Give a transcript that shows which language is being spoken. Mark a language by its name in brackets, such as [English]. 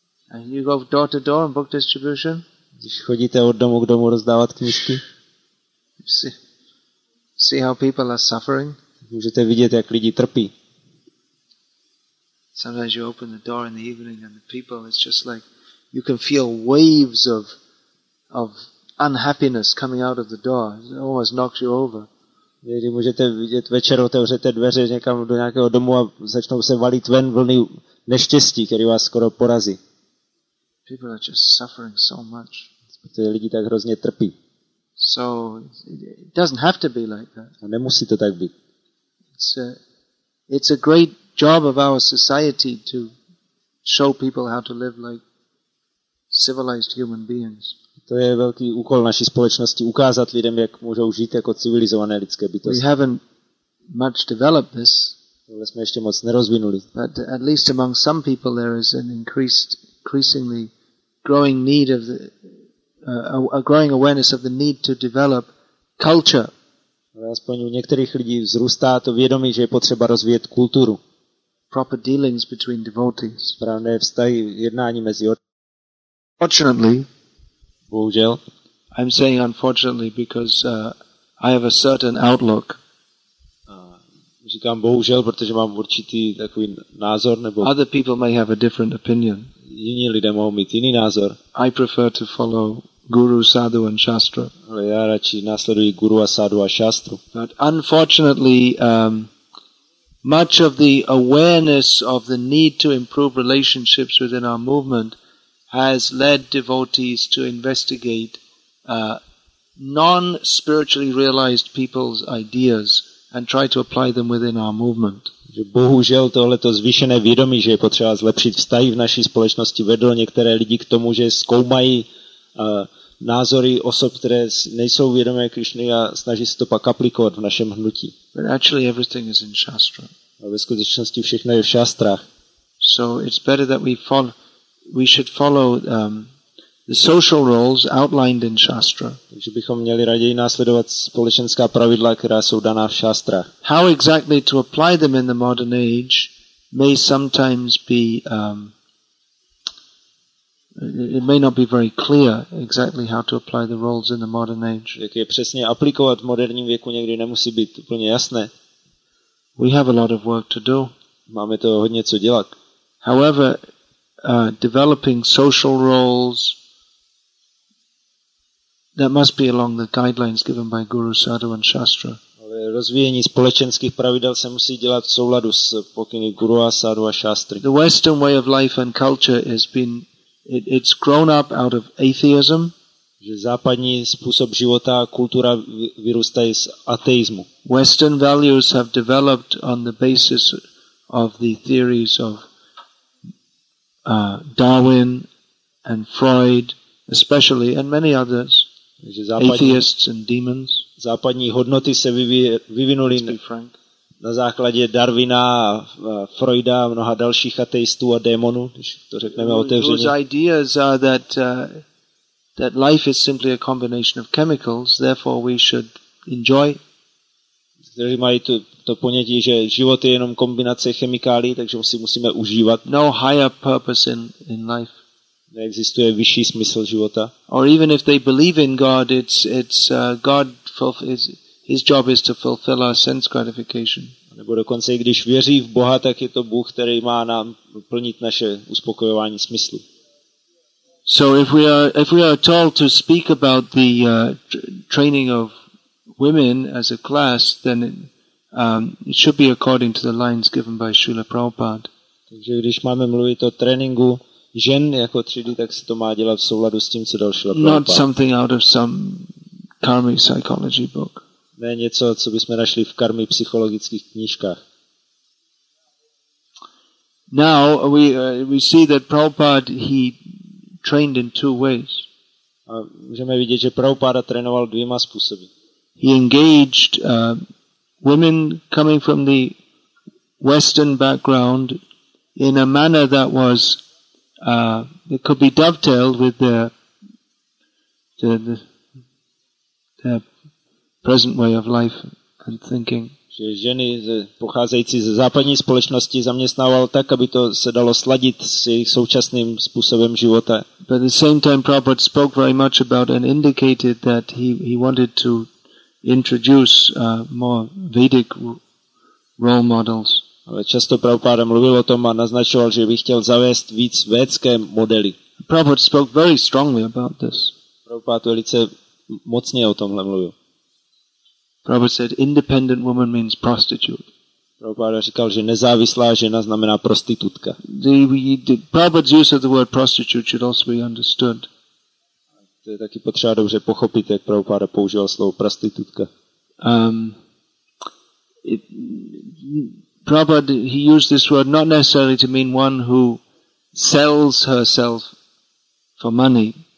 [English] And you go door to door in book distribution? [Czech] Když chodíte od domu k domu rozdávat knížky? [English] See how people are suffering? [Czech] Můžete vidět, jak lidi trpí. [English] Sometimes you open the door in the evening and the people, it's just like you can feel waves of unhappiness coming out of the door. It almost knocks you over. [Czech] Někdy můžete vidět večer, otevřete dveře někam do nějakého domu a začnou se valit ven vlny neštěstí, které vás skoro porazí. [English] People are just suffering so much. [Czech] Protože lidi tak hrozně trpí. [English] So it doesn't have to be like that. [Czech] A nemusí to tak být. [English] It's a great job of our society to show people how to live like civilized human beings. [Czech] To je velký úkol naší společnosti ukázat lidem, jak můžou žít jako civilizované lidské bytosti. [English] We haven't much developed this. [Czech] Tohle jsme ještě moc nerozvinuli. [English] But at least among some people there is an increasingly growing need of a growing awareness of the need to develop culture. [Czech] Aspoň u některých lidí vzrůstá to vědomí, že je potřeba rozvíjet kulturu. [English] Proper dealings between devotees. [Czech] Správné vztahy, jednání mezi oddanými. [English] Fortunately, [Czech] bohužel. [English] I'm saying unfortunately because I have a certain outlook. [Czech] Říkám bohužel, protože mám určitý takový názor nebo. [English] Other people may have a different opinion. [Czech] Jiní lidé mohou mít jiný názor. [English] I prefer to follow guru, sadhu and shastra. [Czech] Ale já radši následuji guru a sadhu a shastru. [English] But unfortunately, much of the awareness of the need to improve relationships within our movement has led devotees to investigate non-spiritually realized people's ideas and try to apply them within our movement. [Czech] Že bohužel tohleto zvýšené vědomí, že je potřeba zlepšit vztahy v naší společnosti, vedlo některé lidi k tomu, že zkoumají názory osob, které nejsou vědomé Krišny a snaží se to pak aplikovat v našem hnutí. [English] But actually everything is in shastra. [Czech] A ve skutečnosti všechno je v šastrách. [English] So it's better that we should follow the social roles outlined in shastra. [Czech] Takže bychom měli raději následovat společenská pravidla, která jsou daná v šastrách. [English] How exactly to apply them in the modern age may sometimes be it may not be very clear exactly how to apply the roles in the modern age. [Czech] Jak je přesně aplikovat v moderním věku někdy nemusí být úplně jasné. [English] We have a lot of work to do. [Czech] Máme toho hodně co dělat. [English] However, developing social roles that must be along the guidelines given by Guru, Sadhu and Shastra. [Czech] Rozvíjení společenských pravidel se musí dělat v souladu s pokyny Guru a Sadhu a Shastry. [English] The Western way of life and culture has been it's grown up out of atheism. [Czech] Že západní způsob života a kultura vyrůstají z ateismu. [English] Western values have developed on the basis of the theories of Darwin and Freud especially and many others. Atheists and demons. [Czech] Západní hodnoty se vyvinuly na základě Darwina, Freuda a mnoha dalších ateistů a démonů, když to řekneme otevřeně. [English] Those ideas are that life is simply a combination of chemicals, therefore we should enjoy. [Czech] Kteří mají to ponětí, že život je jenom kombinace chemikálií, takže si musíme užívat. [English] No higher purpose in life. [Czech] Neexistuje vyšší smysl života. [English] Or even if they believe in God, it's God his job is to fulfill our sense gratification. [Czech] Nebo dokonce, když věří v Boha, tak je to Bůh, který má nám plnit naše uspokojování smyslu. [English] So if we are told to speak about the training of women as a class, then it should be according to the lines given by Srila Prabhupada. [Czech] Takže když máme mluvit o tréninku žen jako třídy, tak se to má dělat v souladu s tím, co dal Srila Prabhupada. [English] Not something out of some karmic psychology book. [Czech] Ne něco, co bychom našli v karmi psychologických knížkách. [English] Now we see that Prabhupada he trained in two ways. [Czech] A můžeme vidět, že Prabhupada trénoval dvěma způsoby. [English] He engaged women coming from the Western background in a manner that was that could be dovetailed with their present way of life and thinking. [Czech] Že ženy pocházející ze západní společnosti zaměstnával tak, aby to se dalo sladit s jejich současným způsobem života. [English] But at the same time, Prabhupada spoke very much about and indicated that he wanted to introduce more Vedic role models. [Czech] Ale často Prabhupada mluvil o tom a naznačoval, že by chtěl zavést víc védské modely. [English] Prabhupada spoke very strongly about this. [Czech] Prabhupada velice mocně o tomhle mluvil. [English] Prabhupada said independent woman means prostitute. [Czech] Prabhupada říkal, že nezávislá žena znamená prostitutka. [English] The Prabhupada's use of the word prostitute should also be understood. [Czech] To je taky potřeba dobře pochopit, jak Prabhupada používal slovo prostitutka. [English] Prabhupada he used this word not necessarily to mean one who sells herself for money.